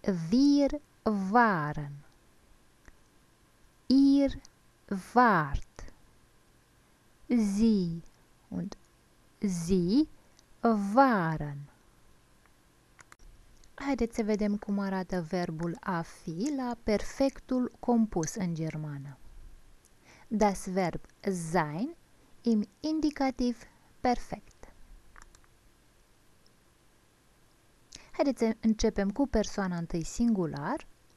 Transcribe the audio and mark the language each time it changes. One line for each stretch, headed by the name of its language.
German: Wir waren. Ihr wart. Sie und sie waren.
Romanian: Haideți să vedem cum arată verbul a fi la perfectul compus în germană.
German: Das Verb sein im Indikativ perfekt.
Romanian: Haideți să începem cu persoana întâi singular.